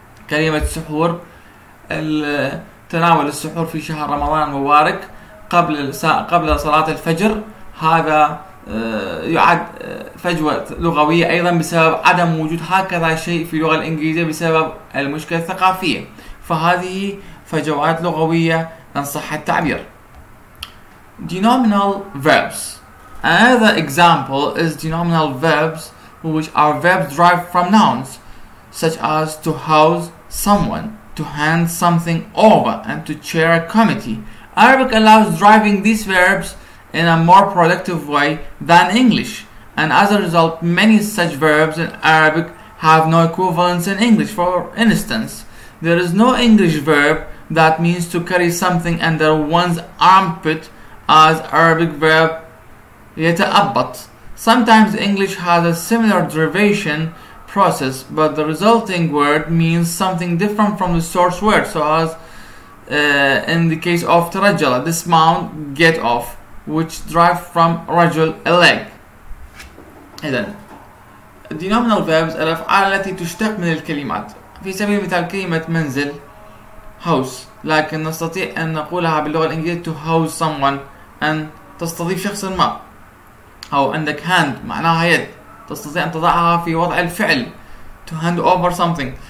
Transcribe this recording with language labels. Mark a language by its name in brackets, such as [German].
[Arabic] كلمة سحور تناول السحور في شهر رمضان المبارك قبل صلاة الفجر هذا يعد فجوة لغوية أيضا بسبب عدم وجود هكذا شيء في اللغة الإنجليزية بسبب المشكلة الثقافية. فهذه فجوات لغوية إن صح التعبير. [English] Denominal verbs. Another example is denominal verbs, which are verbs derived from nouns, such as to house someone, to hand something over, and to chair a committee. Arabic allows driving these verbs in a more productive way than English. And as a result, many such verbs in Arabic have no equivalents in English. For instance, there is no English verb that means to carry something under one's armpit as Arabic verb yata'abbat. Sometimes English has a similar derivation process, but the resulting word means something different from the source word. So as in the case of tarajjala, dismount, get off, which derive from rajul, a leg. [Arabic] إذن [English] the nominal verbs [Arabic] الأفعال التي تشتق من الكلمات في سبيل المثال كلمة منزل house لكن نستطيع أن نقولها باللغة الإنجليزية [English] to house someone [Arabic] أن تستضيف شخص ما أو عندك hand معناها يد تستطيع أن تضعها في وضع الفعل [English] to hand over something